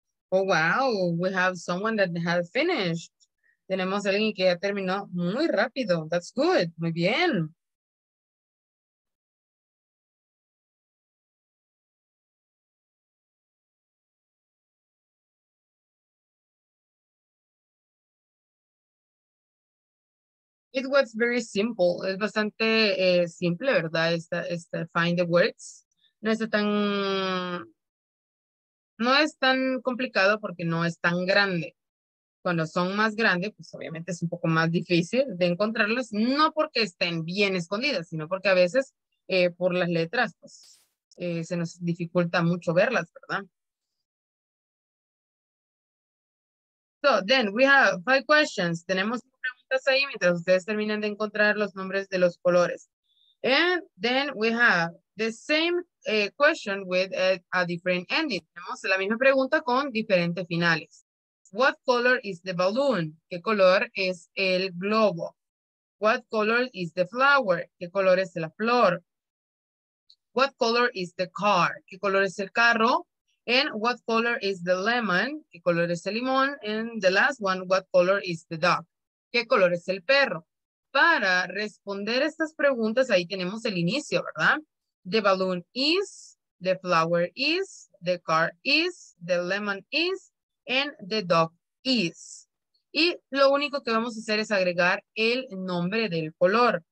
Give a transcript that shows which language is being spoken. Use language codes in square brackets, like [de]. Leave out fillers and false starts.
[en] Oh, wow, we have someone that has finished. [es] Tenemos a alguien que ya terminó muy rápido. [en] That's good. [es] Muy bien. [en] It was very simple. [es] Es bastante simple, ¿verdad? Esta [en] find the words. [es] No está tan... No es tan complicado porque no es tan grande. Cuando son más grandes, pues obviamente es un poco más difícil de encontrarlas, no porque estén bien escondidas, sino porque a veces por las letras, pues se nos dificulta mucho verlas, ¿verdad? [en] So, then we have 5 questions. [es] Tenemos preguntas ahí mientras ustedes terminan de encontrar los nombres de los colores. [en] And then we have the same question with a different ending. [es] Tenemos la misma pregunta con diferentes finales. [en] What color is the balloon? [es] ¿Qué color es el globo? [en] What color is the flower? [es] ¿Qué color es la flor? [en] What color is the car? [es] ¿Qué color es el carro? [en] And what color is the lemon? [es] ¿Qué color es el limón? [en] And the last one, what color is the dog? [es] ¿Qué color es el perro? Para responder estas preguntas, ahí tenemos el inicio, ¿verdad? [en] The balloon is, the flower is, the car is, the lemon is, and the dog is. [es] Y lo único que vamos a hacer es agregar el nombre del color.